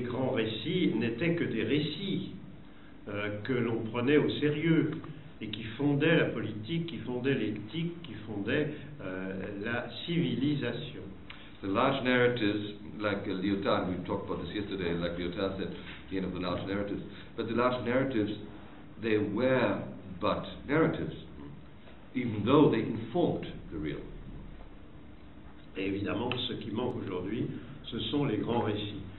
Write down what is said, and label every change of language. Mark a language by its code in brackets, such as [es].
[fr] grands récits n'étaient que des récits que l'on prenait au sérieux et qui fondaient la politique, qui fondaient l'éthique, qui fondaient la civilisation. [en] The large narratives, like Lyotard, we talked about this yesterday, like Lyotard said, the end of the large narratives. But the large narratives, they were but narratives, even though they informed the real. [fr] Et évidemment, ce qui manque aujourd'hui, ce sont les grands récits.